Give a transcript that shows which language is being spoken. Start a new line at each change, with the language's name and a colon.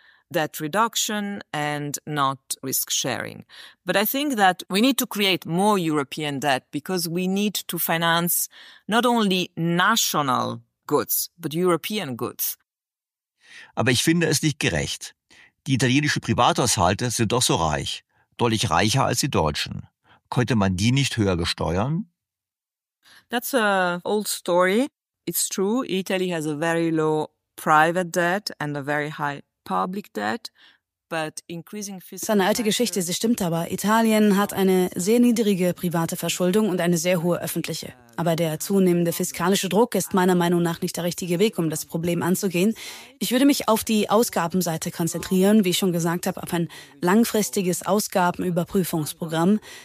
English: Debt reduction and not risk sharing. But I think that we need to create more European debt because we need to finance not only national goods, but European goods.
German: Aber ich finde es nicht gerecht. Die italienischen Privathaushalte sind doch so reich, deutlich reicher als die deutschen. Könnte man die nicht höher besteuern?
English: That's a old story. It's true, Italy has a very low private debt and a very high public debt, but increasing fiscal.
German: Das ist eine alte Geschichte, sie stimmt aber. Italien hat eine sehr niedrige private Verschuldung und eine sehr hohe öffentliche. Aber der zunehmende fiskalische Druck ist meiner Meinung nach nicht der richtige Weg, um das Problem anzugehen. Ich würde mich auf die Ausgabenseite konzentrieren, wie ich schon gesagt habe, auf ein langfristiges Ausgabenüberprüfungsprogramm.